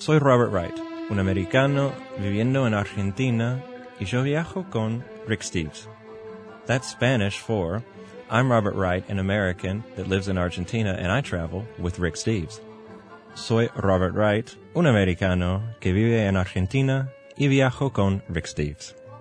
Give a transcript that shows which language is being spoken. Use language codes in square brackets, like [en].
[es] Soy Robert Wright, un americano viviendo en Argentina, y yo viajo con Rick Steves. [en] That's Spanish for, I'm Robert Wright, an American that lives in Argentina, and I travel with Rick Steves. [es] Soy Robert Wright, un americano que vive en Argentina, y viajo con Rick Steves.